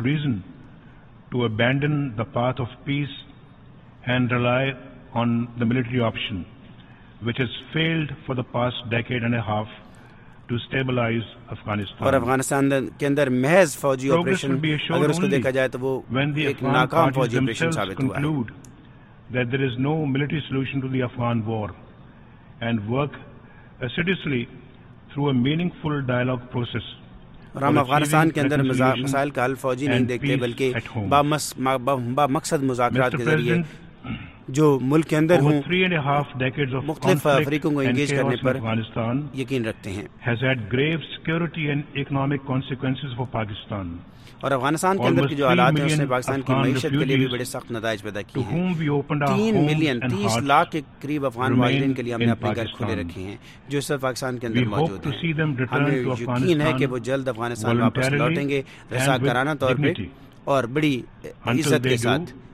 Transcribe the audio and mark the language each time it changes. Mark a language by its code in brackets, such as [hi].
[en] Reason to abandon the path of peace and rely on the military option which has failed for the past decade and a half to stabilise Afghanistan. [ur] اور افغانستان کے اندر محض فوجی operation اگر اس کو دیکھا جائے تو وہ ایک ناکام فوجی آپریشن ثابت ہوا ہے. [en] That there is no military solution to the Afghan war and work assiduously through a meaningful dialogue process. [ur] ہم افغانستان کے اندر مسائل کا حل فوجی نہیں دیکھتے بلکہ با مقصد مذاکرات کے ذریعے جو ملک کے اندر ہوں مختلف افریقوں کو انگیج کرنے پر افغانستان یقین رکھتے ہیں [en] has had grave security and economic consequences for Pakistan. [ur] اور افغانستان کے اندر کے جو حالات ہیں اس نے پاکستان کی معیشت کے لیے بھی بڑے سخت نتائج پیدا کیے ہیں. [en] 3 million [ur] 30 lakh کے قریب افغان والدین کے لیے ہم نے اپنے گھر کھولے رکھے ہیں جو اس وقت پاکستان کے اندر موجود ہیں. ہمیں یقین ہے کہ وہ جلد افغانستان واپس لوٹیں گے رضاکارانہ طور پہ اور بڑی عزت کے ساتھ.